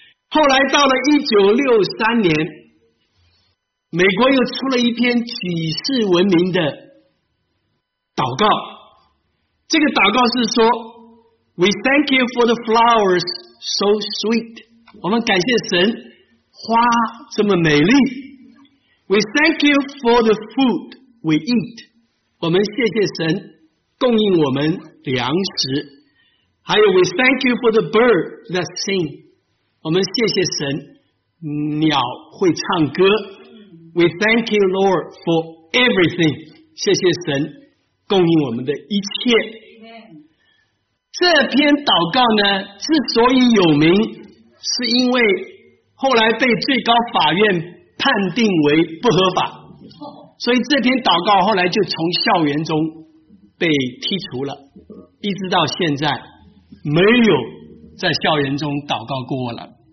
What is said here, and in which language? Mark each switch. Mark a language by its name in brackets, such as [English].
[Chinese] 后来到了1963年美国又出了一篇举世闻名的祷告，这个祷告是说 [English] We thank you for the flowers so sweet. [Chinese] 我们感谢神，花这么美丽。 [English] We thank you for the food we eat. [Chinese] 我们谢谢神，供应我们粮食。还有 [English] ，We thank you for the bird that sing. [Chinese] 我们谢谢神，鸟会唱歌。 [English] We thank you, Lord, for everything. [Chinese] 谢谢神，供应我们的一切。这篇祷告呢之所以有名，是因为后来被最高法院判定为不合法，所以这篇祷告后来就从校园中被剔除了，一直到现在没有在校园中祷告过了。